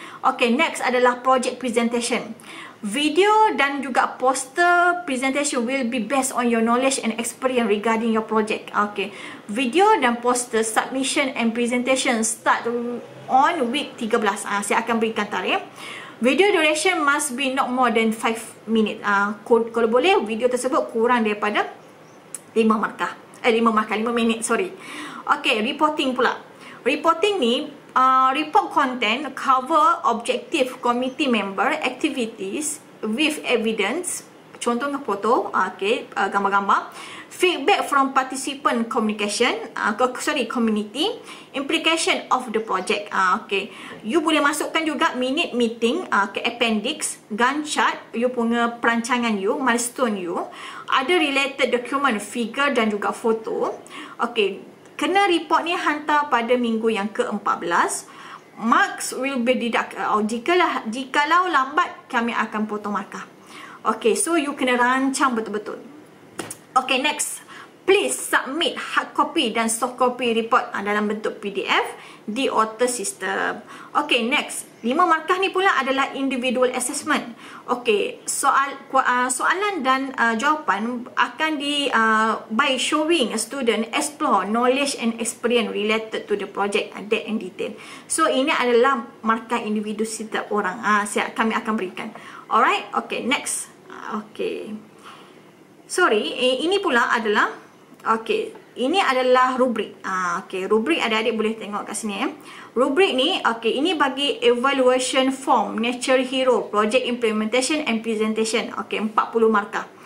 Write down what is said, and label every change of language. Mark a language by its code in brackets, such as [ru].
[en] Okay, next adalah project presentation. Video [ms] dan juga [en] poster presentation will be based on your knowledge and experience regarding your project. Okay, video dan poster submission and presentation start on week 13. [ms] Saya akan berikan tarikh. [en] Video duration must be not more than 5 minutes. [ms] Kalau boleh, video tersebut kurang daripada 5 minit. [en] Sorry. Okay, reporting pula. Reporting ni, report content cover objective committee member activities with evidence, [ms] contohnya foto, okay, gambar-gambar, [en] feedback from participant communication, community, implication of the project. [ms] Okay, you boleh masukkan juga [en] minute meeting, [ms] ke appendix, Gantt chart, you punya perancangan you, milestone you, ada [en] related document, [ms] figure dan juga foto. Okay, kena report ni hantar pada minggu yang ke-14. [en] Marks will be deducted. [ms] Jikalau lambat, kami akan potong markah. Okay, so you kena rancang betul-betul. Okay, next. [en] Please submit hard copy dan soft copy report [ms] dalam bentuk [en] PDF di author system. Okay, next. [ms] 5 markah ni pula adalah individual assessment. [en] Okay, [ms] soalan dan jawapan akan di [en] by showing a student explore knowledge and experience related to the project that in detail. [ms] So, ini adalah markah individu setiap orang. Kami akan berikan. [en] Alright, okay, next. [ms] Okay. Sorry, ini pula adalah, okay, ini adalah rubrik. Okay, rubrik adik-adik boleh tengok kat sini. Rubrik ni, okay, ini bagi [en] evaluation form, nature hero, project implementation and presentation. [ms] Okay, 40 markah.